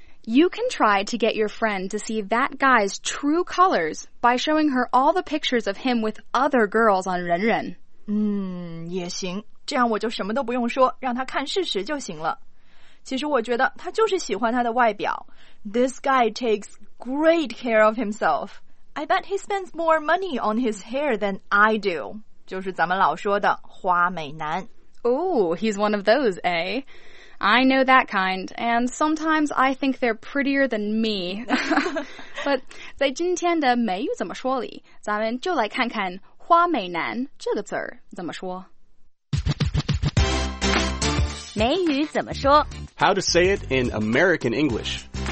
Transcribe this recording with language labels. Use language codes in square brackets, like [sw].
[en] You can try to get your friend to see that guy's true colors by showing her all the pictures of him with other girls on RenRen. [zh] 也行，这样我就什么都不用说，让他看事实就行了。其实我觉得他就是喜欢他的外表。 [en] This guy takes great care of himself. I bet he spends more money on his hair than I do. [zh] 就是咱们老说的花美男。 [en] Oh, he's one of those, eh? I know that kind, and sometimes I think they're prettier than me. [zh] But 在今天的美语怎么说里，咱们就来看看花美男这个词怎么说。美语怎么说？ [en] How to say it in American English.